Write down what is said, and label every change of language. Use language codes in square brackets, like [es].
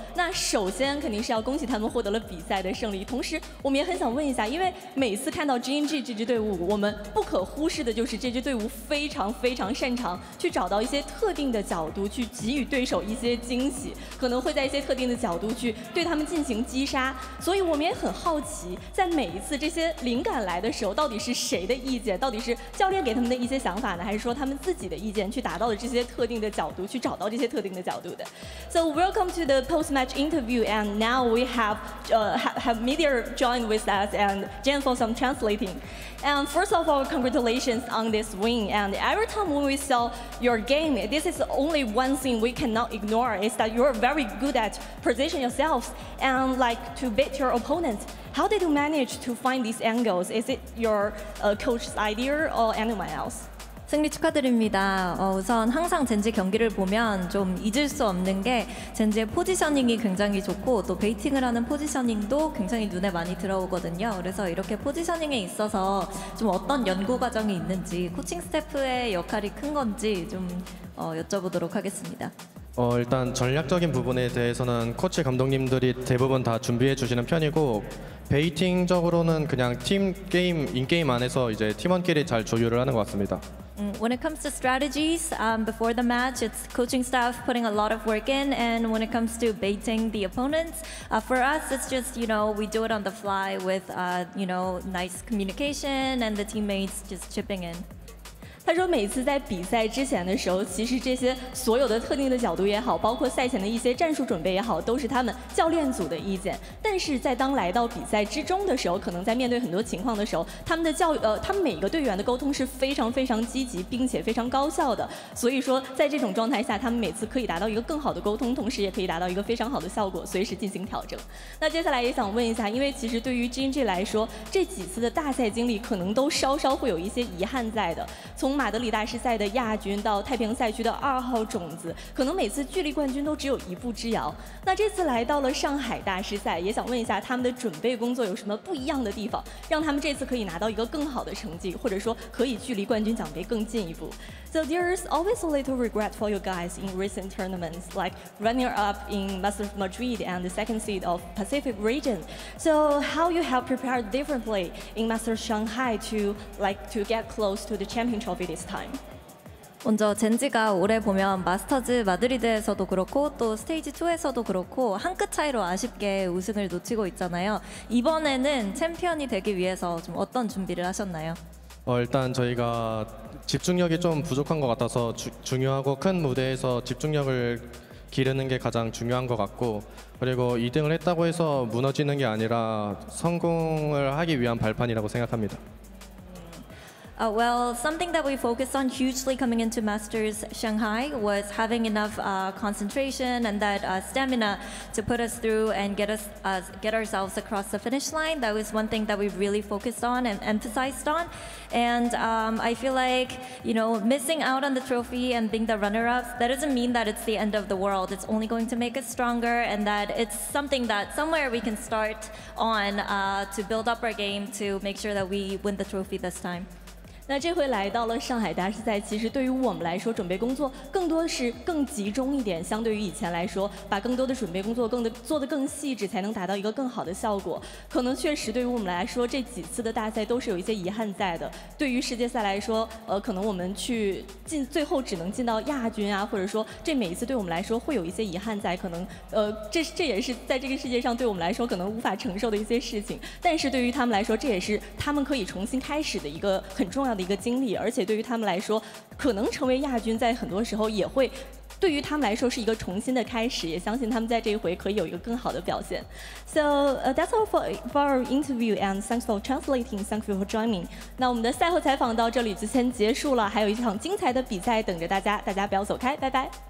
[zh] 那首先肯定是要恭喜他们获得了比赛的胜利，同时我们也很想问一下，因为每次看到 Gen.G 这支队伍，我们不可忽视的就是这支队伍非常非常擅长去找到一些特定的角度去给予对手一些惊喜，可能会在一些特定的角度去对他们进行击杀。所以我们也很好奇，在每一次这些灵感来的时候，到底是谁的意见，到底是教练给他们的一些想法呢，还是说他们自己的意见去达到了这些特定的角度，去找到这些特定的角度的。 [en] So welcome to the post-match interview, and now we have Meteor joined with us and Jen for some translating. And first of all, congratulations on this win. And every time when we saw your game, this is only one thing we cannot ignore, is that you're very good at position yourself and like to beat your opponents. How did you manage to find these angles? Is it your coach's idea or anyone else? [ko] 승리 축하드립니다. 우선 항상 Gen.G 경기를 보면 좀 잊을 수 없는 게 Gen.G의 포지셔닝이 굉장히 좋고 또 베이팅을 하는 포지셔닝도 굉장히 눈에 많이 들어오거든요. 그래서 이렇게 포지셔닝에 있어서 좀 어떤 연구 과정이 있는지 코칭 스태프의 역할이 큰 건지 좀 여쭤보도록 하겠습니다. 일단 전략적인 부분에 대해서는 코치 감독님들이 대부분 다 준비해 주시는 편이고 베이팅적으로는 그냥 팀 게임, 인게임 안에서 이제 팀원끼리 잘 조율을 하는 것 같습니다. [en] When it comes to strategies, before the match, it's coaching staff putting a lot of work in. And when it comes to baiting the opponents, for us, it's just, you know, we do it on the fly with, you know, nice communication and the teammates just chipping in. [zh] 他说每次在比赛之前的时候，其实这些所有的特定的角度也好，包括赛前的一些战术准备也好，都是他们教练组的意见。但是在当来到比赛之中的时候，可能在面对很多情况的时候，他们的他们每个队员的沟通是非常非常积极并且非常高效的。所以说在这种状态下，他们每次可以达到一个更好的沟通，同时也可以达到一个非常好的效果，随时进行调整。那接下来也想问一下，因为其实对于 Gen.G 来说，这几次的大赛经历可能都稍稍会有一些遗憾在的。从马德里大师赛的亚军到太平洋赛区的二号种子，可能每次距离冠军都只有一步之遥。那这次来到了上海大师赛，也想问一下他们的准备工作有什么不一样的地方，让他们这次可以拿到一个更好的成绩，或者说可以距离冠军奖杯更进一步。 [en] So there is always a little regret for you guys in recent tournaments, like running up in Master of Madrid and the second seed of Pacific region. So how you have prepared differently in Master Shanghai to get close to the Champion Trophy this time? [ko] 먼저 젠지가 올해 보면 마스터즈 마드리드에서도 그렇고 또 스테이지 2에서도 그렇고 한 끗 차이로 아쉽게 우승을 놓치고 있잖아요. 이번에는 챔피언이 되기 위해서 좀 어떤 준비를 하셨나요? 일단 저희가 집중력이 좀 부족한 것 같아서 중요하고 큰 무대에서 집중력을 기르는 게 가장 중요한 것 같고 그리고 2등을 했다고 해서 무너지는 게 아니라 성공을 하기 위한 발판이라고 생각합니다. [en] Well, something that we focused on hugely coming into Masters Shanghai was having enough concentration and that stamina to put us through and get ourselves across the finish line. That was one thing that we really focused on and emphasized on. And I feel like, you know, missing out on the trophy and being the runner-up, that doesn't mean that it's the end of the world. It's only going to make us stronger and that it's something that somewhere we can start on to build up our game to make sure that we win the trophy this time. [zh] 那这回来到了上海大师赛，其实对于我们来说，准备工作更多是更集中一点，相对于以前来说，把更多的准备工作做得更细致，才能达到一个更好的效果。可能确实对于我们来说，这几次的大赛都是有一些遗憾在的。对于世界赛来说，可能我们去进最后只能进到亚军啊，或者说这每一次对我们来说会有一些遗憾在，可能这也是在这个世界上对我们来说可能无法承受的一些事情。但是对于他们来说，这也是他们可以重新开始的一个很重要的一个经历，而且对于他们来说，可能成为亚军，在很多时候也会对于他们来说是一个重新的开始，也相信他们在这一回可以有一个更好的表现。 [en] So that's all for our interview and thanks for translating, thank you for joining. [zh] 那我们的赛后采访到这里就先结束了，还有一场精彩的比赛等着大家，大家不要走开，拜拜。